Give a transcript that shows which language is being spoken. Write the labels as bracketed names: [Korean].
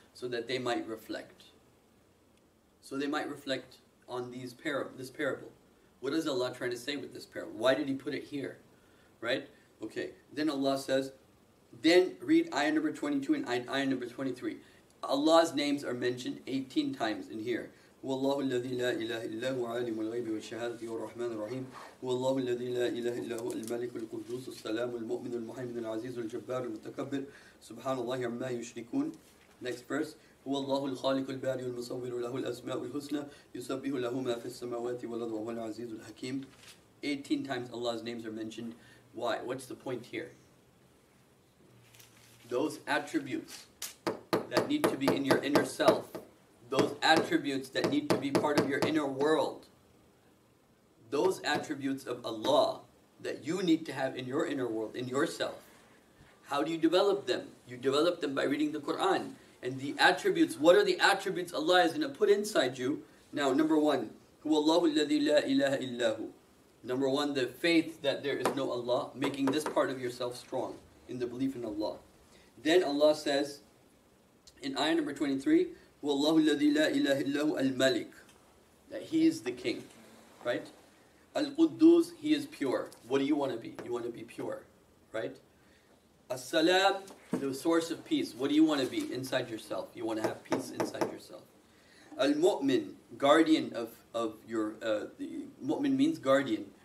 [English] So that they might reflect. So they might reflect on these this parable. What is Allah trying to say with this parable? Why did He put it here? Right? Okay. Then Allah says, then read ayah number 22 and ayah number 23. Allah's names are mentioned 18 times in here. [Arabic] هو الله الذي لا إله إلا هو عالم الغيب والشهادة هو الرحمن الرحيم هو الله الذي لا إله إلا هو الملك القدوس السلام المؤمن المهيمن العزيز الجبار المتكبر سبحان الله عما يشركون. [English] Next verse. [Arabic] هو الله الخالق الباري المصور له الأسماء الحسنى يسبح له ما في السماوات والأرض وهو العزيز الحكيم. [English] 18 times Allah's names are mentioned. Why? What's the point here? Those attributes that need to be in your inner self, those attributes that need to be part of your inner world, those attributes of Allah that you need to have in your inner world, in yourself, how do you develop them? You develop them by reading the Quran. And the attributes, what are the attributes Allah is going to put inside you? Now, number one, [Arabic] هو الله الذي لا إله إلا هو. [English] Number one, the faith that there is no Allah, making this part of yourself strong in the belief in Allah. Then Allah says, in ayah number 23, [Arabic] هو الله الذي لا إله إلا هو الملك. [English] That He is the King, right? القدوس, He is pure. What do you want to be? You want to be pure, right? As-salam, the source of peace. What do you want to be inside yourself? You want to have peace inside yourself. Al-mu'min, guardian of your... the mu'min means guardian.